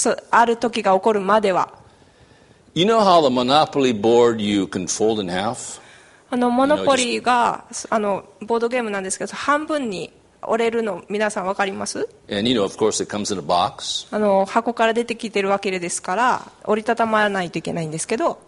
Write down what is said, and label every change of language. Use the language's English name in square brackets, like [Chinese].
[Japanese] ある時が起こるまでは。 [English] You know how the Monopoly board you can fold in half? [Japanese] モノポリーが、ボードゲームなんですけど、半分に折れるの皆さん分かります？ [English] And you know, of course, it comes in a box. [Japanese] 箱から出てきてるわけですから折りたたまないといけないんですけど。